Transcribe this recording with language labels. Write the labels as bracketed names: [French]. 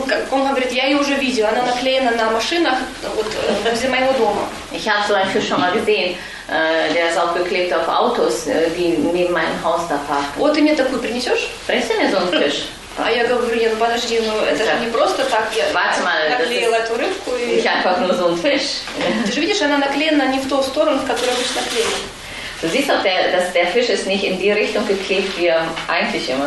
[Russian] Он говорит, я ее уже видел, она наклеена на машинах вот возле моего дома. [German] Ich habe so einen Fisch schon mal gesehen, der ist auch geklebt auf Autos, die neben meinem Haus da parken. [Russian] Вот ты мне такую принесешь? Принеси мне [German] so einen Fisch. [Russian] А я говорю, ну подожди, ну это же не просто так, я наклеила эту рыбку и... [German] Ich einfach nur so einen Fisch. [Russian] Ты же видишь, она наклеена не в ту сторону, в которую обычно клеят. [German] Du siehst doch, dass der Fisch ist nicht in die Richtung geklebt, wie er eigentlich immer